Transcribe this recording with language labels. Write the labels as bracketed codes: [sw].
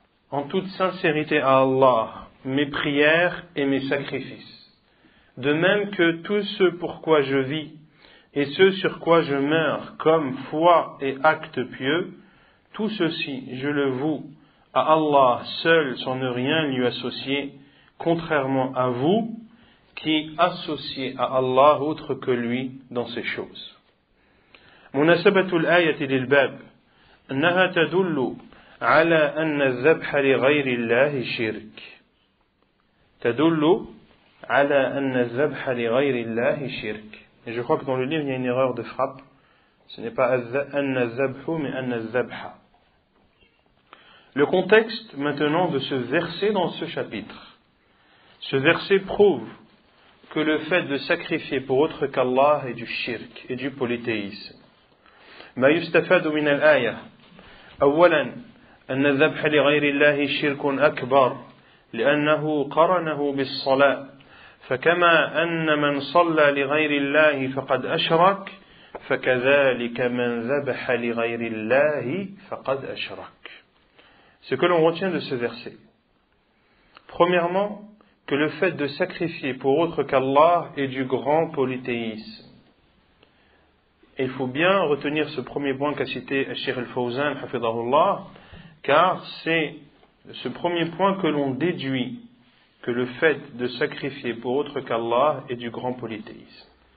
[fr] en toute sincérité à Allah mes prières et mes sacrifices, de même que tout ce pour quoi je vis et ce sur quoi je meurs comme foi et acte pieux, tout ceci je le voue à Allah seul sans ne rien lui associer, contrairement à vous qui associez à Allah autre que lui dans ces choses. [ar] مناسبة الآية للباب أنها تدل على أن الذبح لغير الله شرك تدل على أن الذبح لغير الله شرك. [fr] Et je crois que dans le livre il y a une erreur de frappe. Ce n'est pas [ar] أن الذبح [fr] mais أن الذبح. Le contexte maintenant de ce verset dans ce chapitre. Ce verset prouve que le fait de sacrifier pour autre qu'Allah est du shirk et du polythéisme. [ar] ما يستفاد من الآية أولا أن الذبح لغير الله شرك أكبر لأنه قرنه بالصلاة فكما أن من صلى لغير الله فقد أشرك فكذلك من ذبح لغير الله فقد أشرك. [fr] Ce que l'on retient de ce verset, premièrement que le fait de sacrifier pour autre qu'Allah est du grand polythéisme. Il faut bien retenir ce premier point qu'a cité Cheikh Al-Fawzan, hafidahullah, car c'est ce premier point que l'on déduit que le fait de sacrifier pour autre qu'Allah est du grand polythéisme.